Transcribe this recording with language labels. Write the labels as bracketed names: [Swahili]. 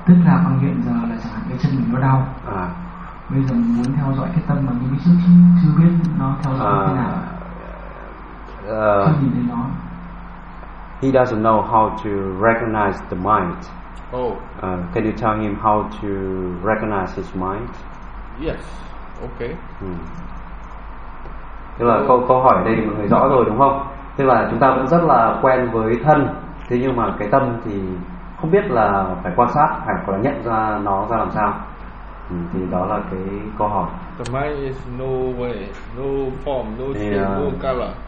[Vietnamese] Tức là con hiện giờ là chẳng hạn cái chân mình nó đau à, bây giờ muốn theo dõi cái tâm mà mình trước chưa biết nó theo dõi như thế nào, nhìn thấy nó. [English] He doesn't know how to recognize the mind. Oh. Can you tell him how to recognize his mind? Yes. Okay. [Vietnamese] Nhưng mà câu hỏi ở đây thì mọi người rõ rồi đúng không? Thế là chúng ta cũng rất là quen với thân, thế nhưng mà cái tâm thì không biết là phải quan sát hay là nhận ra nó ra làm sao. Thì đó là cái câu hỏi. [English] The mind is no way, no form, no shape, no color.